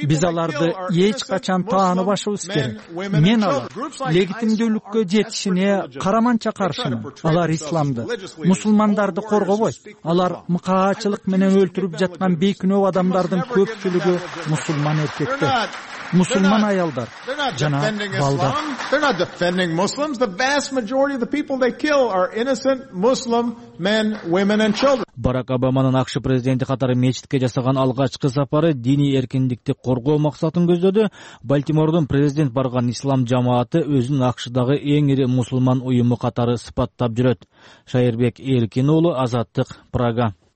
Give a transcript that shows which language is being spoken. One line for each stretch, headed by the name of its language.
Kyrgyz: Биз аларды эч качан тааныбашыбыз керек. Мен алар легитимдүүлүккө жетишине караманча каршымын. Алар исламды, мусулмандарды коргобойт. Алар мыкаачылык менен өлтүрүп жаткан бейкүнөө адамдардын көпчүлүгү мусулман эркектер. Мусулман аялдар жана балдар.
English: They're not defending Muslims. The vast majority of the people they kill are innocent Muslim men, women and children.
Kyrgyz: Барак Обаманын АШ президенти катары мечитке жасаган алгачкы сапары диний эркиндикти коргоо максатын көздөдү. Балтимордон президент барган ислам жамааты өзүн АШдагы эң ири мусулман уюму катары сыпаттап жүрөт. Шайырбек Эркин уулу, Азаттык, Прага.